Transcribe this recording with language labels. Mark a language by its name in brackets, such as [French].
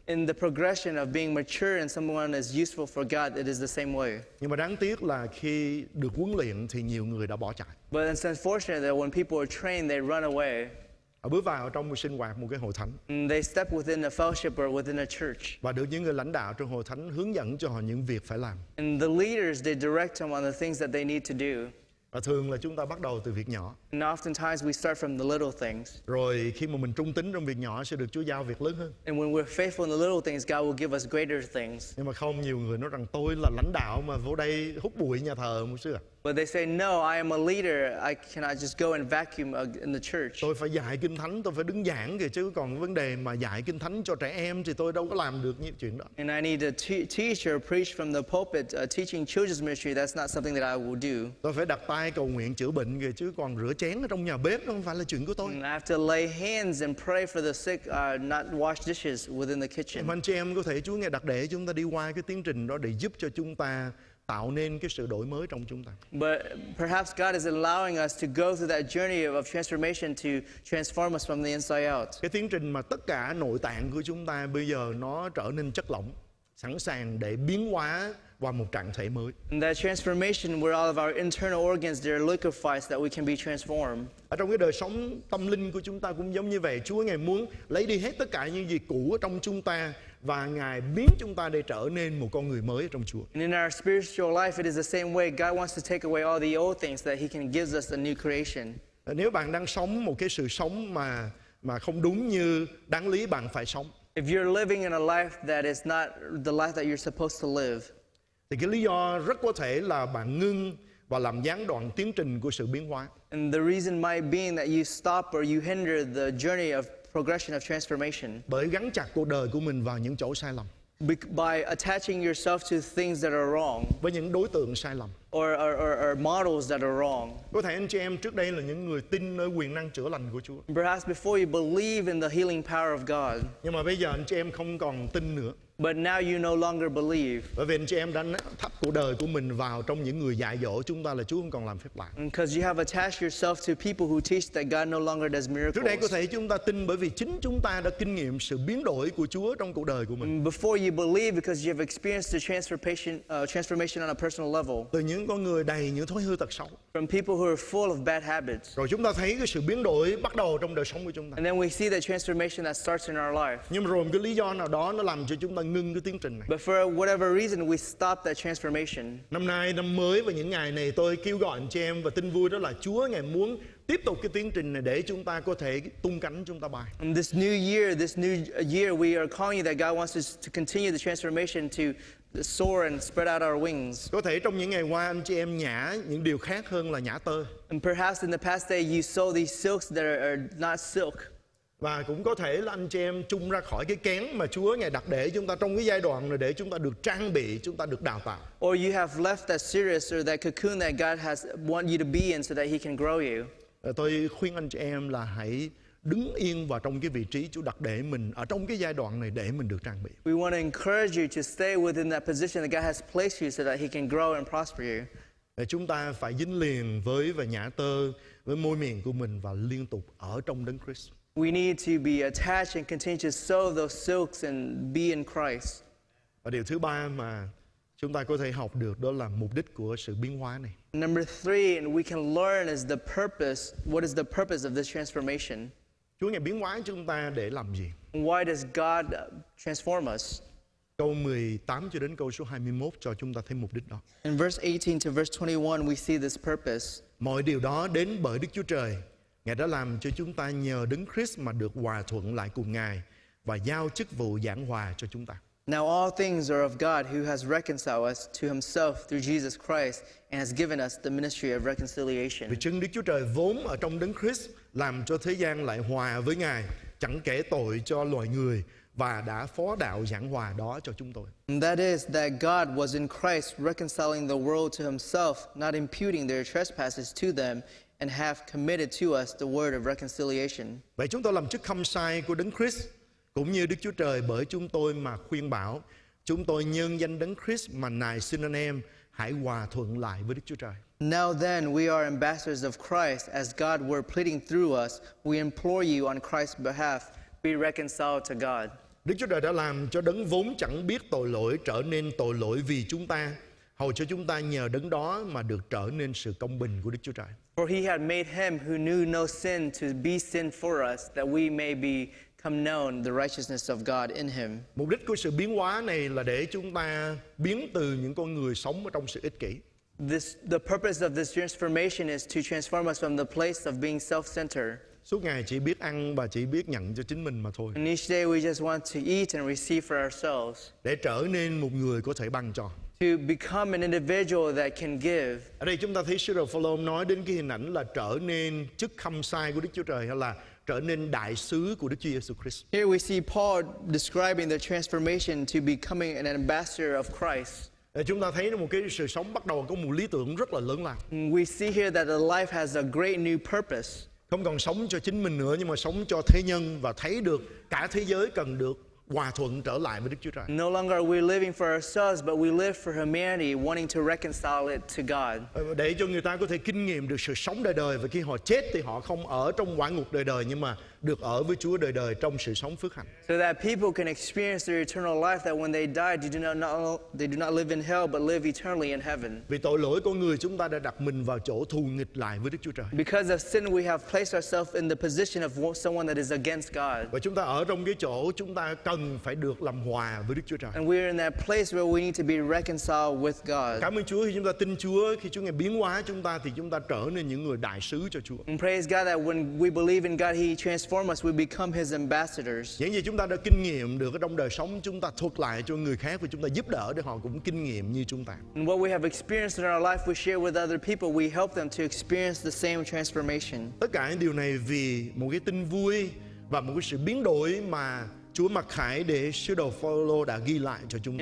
[English] In the progression of being mature and someone is useful for God, it is the same way. [Vietnamese] Nhưng mà đáng tiếc là khi được huấn luyện thì nhiều người đã bỏ chạy. [English] But it's unfortunate that when people are trained, they run away. [Vietnamese] Họ bước vào trong một sinh hoạt, một cái hội thánh. [English] They step within a fellowship or within a church. [Vietnamese] Và được những người lãnh đạo trong hội thánh hướng dẫn cho họ những việc phải làm. [English] And the leaders, they direct them on the things that they need to do. [Vietnamese] Và thường là chúng ta bắt đầu từ việc nhỏ. [English] And oftentimes we start from the little things. [Vietnamese] Rồi khi mà mình trung tín trong việc nhỏ sẽ được Chúa giao việc lớn hơn. [English] And when we're faithful in the little things, God will give us greater things. [Vietnamese] Nhưng mà không, nhiều người nói rằng tôi là lãnh đạo mà vô đây hút bụi nhà thờ một xưa. [English] But they say, no, I am a leader. I cannot just go and vacuum in the church. [Vietnamese] Tôi phải dạy kinh thánh, tôi phải đứng giảng kìa chứ. Còn vấn đề mà dạy kinh thánh cho trẻ em thì tôi đâu có làm được những chuyện đó. [English] And I need to teach or preach from the pulpit, teaching children's ministry. That's not something that I will do. [Vietnamese] Tôi phải đặt tay cầu nguyện chữa bệnh kìa chứ. Còn rửa chén ở trong nhà bếp nó không phải là chuyện của tôi. [English] And I have to lay hands and pray for the sick, not wash dishes within the kitchen. [Vietnamese] Em anh chị em có thể Chúa ngài đặt để chúng ta đi qua cái tiến trình đó để giúp cho chúng ta tạo nên cái sự đổi mới trong chúng ta. [English] But perhaps God is allowing us to go through that journey of transformation to transform us from the inside out. [Vietnamese] Cái tiến trình mà tất cả nội tạng của chúng ta bây giờ nó trở nên chất lỏng, sẵn sàng để biến hóa vào một trạng thể mới. [English] And that transformation where all of our internal organs they're liquefied so that we can be transformed. [Vietnamese] Ở trong cái đời sống tâm linh của chúng ta cũng giống như vậy, Chúa ngài muốn lấy đi hết tất cả những gì cũ ở trong chúng ta và ngài biến chúng ta để trở nên một con người mới trong Chúa. [English] And in our spiritual life it is the same way. God wants to take away all the old things so that he can give us a new creation. [Vietnamese] Nếu bạn đang sống một cái sự sống mà không đúng như đáng lý bạn phải sống. [English] If you're living in a life that is not the life that you're supposed to live. [Vietnamese] Thì cái lý do rất có thể là bạn ngưng và làm gián đoạn tiến trình của sự biến hóa. [English] And the reason might be that you stop or you hinder the journey of progression of transformation. [Vietnamese] Bởi gắn chặt cuộc đời của mình vào những chỗ sai lầm. [English] By attaching yourself to things that are wrong. [Vietnamese] Với những đối tượng sai lầm. [English] Or models that are wrong. [Vietnamese] Có thể anh chị em trước đây là những người tin nơi quyền năng chữa lành của Chúa. [English] Perhaps before you believe in the healing power of God. [Vietnamese] Nhưng mà bây giờ anh chị em không còn tin nữa. [English] But now you no longer believe. [Vietnamese] Bởi vì anh chị em đã thắp cuộc đời của mình vào trong những người dạy dỗ chúng ta là Chúa không còn làm phép lạ. [English] Because you have attached yourself to people who teach that God no longer does miracles. [Vietnamese] Trước đây có thể chúng ta tin bởi vì chính chúng ta đã kinh nghiệm sự biến đổi của Chúa trong cuộc đời của mình. [English] Before you believe because you have experienced the transformation on a personal level. [Vietnamese] Từ những con người đầy những thói hư tật xấu. [English] From people who are full of bad habits. [Vietnamese] Rồi chúng ta thấy cái sự biến đổi bắt đầu trong đời sống của chúng ta. [English] And then we see the transformation that starts in our life. [Vietnamese] Nhưng rồi cái lý do nào đó nó làm cho chúng ta ngừng cái tiến trình này. [English] But for whatever reason, we stopped that transformation. [Vietnamese] Năm nay, năm mới và những ngày này tôi kêu gọi anh chị em và tin vui đó là Chúa ngài muốn tiếp tục cái tiến trình này để chúng ta có thể tung cánh chúng ta bay. [English] And this new year, we are calling you that God wants us to continue the transformation to soar and spread out our wings. [Vietnamese] Có thể trong những ngày qua anh chị em nhả những điều khác hơn là nhả tơ. [English] And perhaps in the past day you sow these silks that are not silk. [Vietnamese] Và cũng có thể là anh chị em chung ra khỏi cái kén mà Chúa ngài đặt để chúng ta trong cái giai đoạn này để chúng ta được trang bị, chúng ta được đào tạo. [English] Or you have left that series or that cocoon that God has want you to be in so that he can grow you. [Vietnamese] Tôi khuyên anh chị em là hãy đứng yên vào trong cái vị trí Chúa đặt để mình ở trong cái giai đoạn này để mình được trang bị. [English] We want to encourage you to stay within that position that God has placed you so that he can grow and prosper you. [Vietnamese] Chúng ta phải dính liền với và nhã tơ với môi miệng của mình và liên tục ở trong Đấng Christ. [English] We need to be attached and continue to sow those silks and be in Christ. [Vietnamese] Và điều thứ ba mà chúng ta có thể học được đó là mục đích của sự biến hóa này. [English] Number three, and we can learn is the purpose. What is the purpose of this transformation? [Vietnamese] Chúa ngài biến hóa chúng ta để làm gì? [English] Why does God transform us? [Vietnamese] Câu 18 cho đến câu số 21 cho chúng ta thấy mục đích đó. [English] In verse 18 to verse 21, we see this purpose. [Vietnamese] Mọi điều đó đến bởi Đức Chúa Trời. Ngài đã làm cho chúng ta nhờ Đấng Christ mà được hòa thuận lại cùng Ngài và giao chức vụ giảng hòa cho chúng ta. [English] Now all things are of God who has reconciled us to himself through Jesus Christ and has given us the ministry of reconciliation. [Vietnamese] Vì chân Đức Chúa Trời vốn ở trong Đấng Christ làm cho thế gian lại hòa với Ngài, chẳng kể tội cho loài người và đã phó đạo giảng hòa đó cho chúng tôi. [English] And that is that God was in Christ reconciling the world to himself, not imputing their trespasses to them, and have committed to us the word of reconciliation. [Vietnamese] Vậy chúng tôi làm chức khâm sai của Đấng Christ cũng như Đức Chúa Trời bởi chúng tôi mà khuyên bảo, chúng tôi nhân danh Đấng Christ mà nài xin anh em hãy hòa thuận lại với Đức Chúa Trời. [English] Now then we are ambassadors of Christ as God were pleading through us, we implore you on Christ's behalf be reconciled to God. [Vietnamese] Đức Chúa Trời đã làm cho Đấng vốn chẳng biết tội lỗi trở nên tội lỗi vì chúng ta, hầu cho chúng ta nhờ Đấng đó mà được trở nên sự công bình của Đức Chúa Trời. [English] For he had made him who knew no sin to be sin for us, that we may become known the righteousness of God in him. [Vietnamese] Mục đích của sự biến hóa này là để chúng ta biến từ những con người sống ở trong sự ích kỷ. [English] The purpose of this transformation is to transform us from the place of being self-centered. [Vietnamese] Suốt ngày chỉ biết ăn và chỉ biết nhận cho chính mình mà thôi. [English] And each day we just want to eat and receive for ourselves. [Vietnamese] Để trở nên một người có thể ban cho. [English] To become an individual that can give. [Vietnamese] Ở đây chúng ta thấy Sư đồ Phaolô nói đến cái hình ảnh là trở nên chức khâm sai của Đức Chúa Trời hay là trở nên đại sứ của Đức Chúa Giêsu Christ. [English] Here we see Paul describing the transformation to becoming an ambassador of Christ. [Vietnamese] Chúng ta thấy một cái sự sống bắt đầu có một lý tưởng rất là lớn lao. [English] We see here that the life has a great new purpose. [Vietnamese] Không còn sống cho chính mình nữa nhưng mà sống cho thế nhân và thấy được cả thế giới cần được hòa thuận trở lại với Đức Chúa Trời. [English] No longer are we living for ourselves, but we live for humanity, wanting to reconcile it to God. [Vietnamese] Để cho người ta có thể kinh nghiệm được sự sống đời đời và khi họ chết thì họ không ở trong quả ngục đời đời nhưng mà được ở với Chúa đời đời trong sự sống phước hạnh. [English] So that people can experience their eternal life, that when they die, they do not live in hell, but live eternally in heaven. [Vietnamese] Vì tội lỗi con người chúng ta đã đặt mình vào chỗ thù nghịch lại với Đức Chúa Trời. [English] Because of sin, we have placed ourselves in the position of someone that is against God. [Vietnamese] Và chúng ta ở trong cái chỗ chúng ta cần phải được làm hòa với Đức Chúa Trời. [English] And we are in that place where we need to be reconciled with God. [Vietnamese] Cảm ơn Chúa khi chúng ta tin Chúa, khi Chúa ngài biến hóa chúng ta thì chúng ta trở nên những người đại sứ cho Chúa. [English] And praise God that when we believe in God, He transforms. We become his ambassadors. [Vietnamese] Những gì chúng ta đã kinh nghiệm được ở trong đời sống, chúng ta thuật lại cho người khác và chúng ta giúp đỡ để họ cũng kinh nghiệm như chúng ta. [English] And what we have experienced in our life, we share with other people. We help them to experience the same transformation. [Vietnamese] Tất cả những điều này vì một cái tin vui và một cái sự biến đổi mà Chúa mặc khải để sứ đồ Phaolô đã ghi lại cho chúng ta.